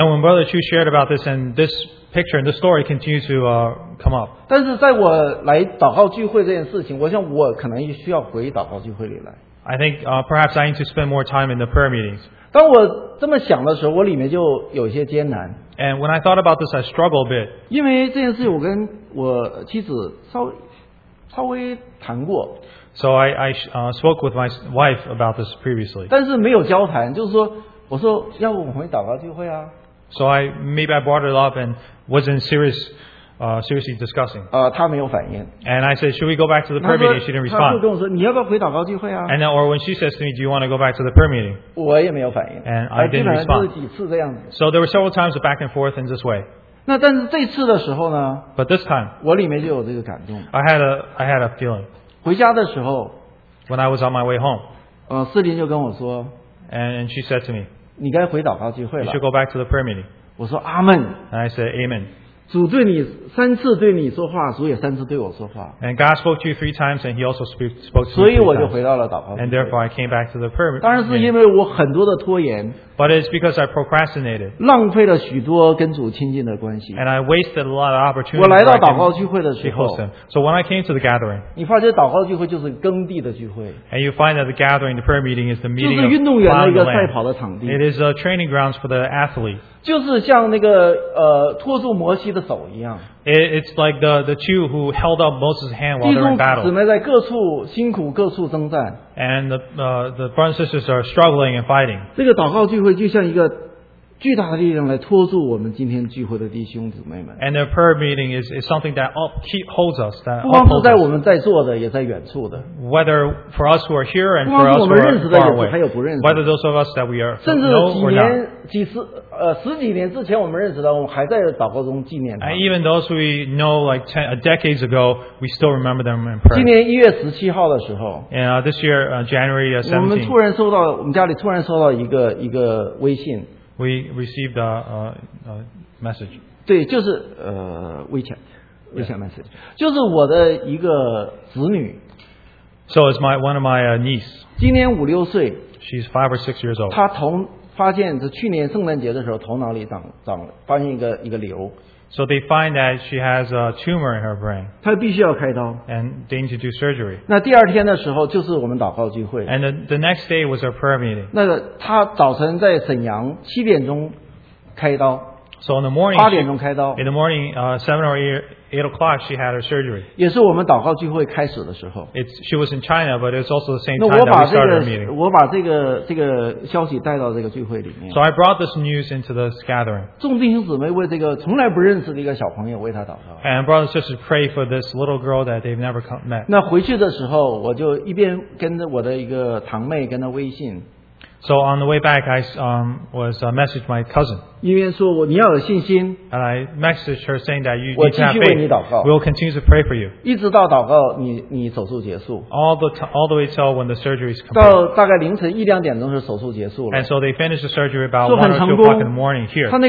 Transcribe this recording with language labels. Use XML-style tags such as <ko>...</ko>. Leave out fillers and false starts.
<en>And when Brother Chu shared about this, and this picture and the story continued to come up.</en> <zh>但是在我来祷告聚会这件事情，我想我可能需要回祷告聚会里来。</zh> <en>I think perhaps I need to spend more time in the prayer meetings.</en> <zh>当我这么想的时候，我里面就有些艰难。</zh> <en>And when I thought about this, I struggle a bit.</en> <zh>因为这件事，我跟我妻子稍微谈过。</zh> <en>So I spoke with my wife about this previously.</en> <zh>但是没有交谈，就是说，我说要不我们回祷告聚会啊。</zh> <en>So maybe I brought it up and wasn't seriously discussing.</en> <zh>她没有反应。</zh> <en>And I said, should we go back to the prayer meeting? She didn't respond.</en> <zh>她就跟我说，你要不要回祷告聚会啊？</zh> <en>And then, or when she says to me, do you want to go back to the prayer meeting?</en> <zh>我也没有反应。</zh> <en>And I didn't respond.</en> <zh>基本上就是几次这样子。</zh> <en>So there were several times of back and forth in this way.</en> <zh>那但是这次的时候呢？</zh> <en>But this time,</en> <zh>我里面就有这个感动。</zh> <en>I had a feeling.</en> <zh>回家的时候,</zh> <en>when I was on my way home,</en> <zh>四林就跟我说,</zh> <en>and she said to me,</en> <zh>你该回祷告聚会了,</zh> <en>you should go back to the prayer meeting.</en> <zh>我说, Amen.</zh> <en>And I said, Amen.</en> <zh>主对你三次对你说话,</zh> <en>and God spoke to you three times, and He also spoke to me three times. And therefore, I came back to the prayer meeting.</en> <zh>当然是因为我很多的拖延,</zh> <en>but it's because I procrastinated.</en> <zh>浪费了许多跟主亲近的关系,</zh> <en>and I wasted a lot of opportunities to host Him. So when I came to the gathering,</en> <zh>你发现祷告聚会就是耕地的聚会,</zh> <en>and you find that the gathering, the prayer meeting, is the meeting of plowing the land.</en> <zh>就是运动员的一个赛跑的场地。</zh> <en>It is a training grounds for the athlete.</en> <zh>就是像那个, 托住摩西的手一样。</zh> <en>It's like the two who held up Moses' hand while they're in battle.</en> <zh>弟兄姊妹在各处辛苦各处征战。</zh> <en>And the brothers and sisters are struggling and fighting.</en> <zh>这个祷告聚会就像一个巨大的力量来托住我们今天聚会的弟兄姊妹们。</zh> <en>And their prayer meeting is something that holds us.</en> <zh>不光是在我们在座的，也在远处的。</zh> <en>Whether for us who are here and for us who are far away. Whether those of us that we are know or not.</en> <zh>十几年之前我们认识的，我们还在祷告中纪念他。</zh> <en>Even those we know like decades ago, we still remember them in prayer.</en> <zh>今年1月17号的时候，</zh> <en>this year January 17.</en> <zh>我们家里突然收到一个微信。</zh> <en>We received a message.</en> <zh>对，就是WeChat message， 就是我的一个子女。</zh> <en>So it's one of my niece.</en> <zh>今年5、6岁。</zh> <en>She's 5 or 6 years old.</en> <zh>她同 发现去年圣诞节的时候头脑里长发现一个瘤。</zh> <en>So they find that she has a tumor in her brain.</en> <zh>她必须要开刀。</zh> <en>And they need to do surgery.</en> <zh>那第二天的时候就是我们祷告聚会。</zh> <en>And the next day was her prayer meeting.</en> <zh>那她早晨在沈阳7点钟开刀。</zh> <en>So in the morning,</en> <zh>8点钟开刀。</zh> <en>In the morning, 7 or 8 o'clock, she had her surgery.</en> <zh>也是我们祷告聚会开始的时候。</zh> <en>She was in China, but it's also the same time that we started her meeting.</en> <zh>我把这个消息带到这个聚会里面。</zh> <en>So I brought this news into the gathering.</en> <zh>众弟兄姊妹为这个从来不认识的一个小朋友为他祷告。</zh> <en>And brothers and sisters pray for this little girl that they've never met.</en> <zh>那回去的时候，我就一边跟着我的一个堂妹跟她微信。</zh> <en>So on the way back, I was messaged my cousin.</en> <zh>因为说你要有信心,</zh> <en>and I messaged her saying that you need to have faith. We'll continue to pray for you.</en> <zh>一直到祷告你手术结束,</zh> <en>all the way till when the surgery is complete.</en> <zh>到大概凌晨1、2点钟是手术结束了。</zh> <en>And so they finished the surgery about 1 or 2 o'clock in the morning here.</en>